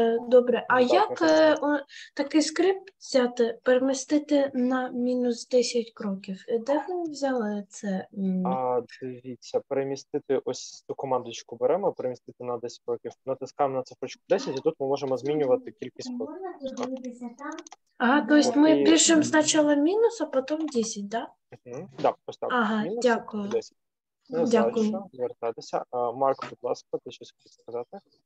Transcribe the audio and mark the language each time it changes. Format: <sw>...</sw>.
<uk>Добре, а так, як такий скрипт взяти, перемістити на мінус 10 кроків? Де ви взяли це? Дивіться, перемістити ось ту командочку беремо, перемістити на 10 кроків, натискаємо на цифрочку 10, і тут ми можемо змінювати кількість кроків. Можна подивитися там?</uk> <ru>Ага, то есть мы пишем сначала минус, а потом 10, да?</ru> <uk>Да, ось так. Ага, мінус, дякую. 10. Дякую. Дальше вертатися. Марк, будь ласка, ти щось хочеш сказати?</uk>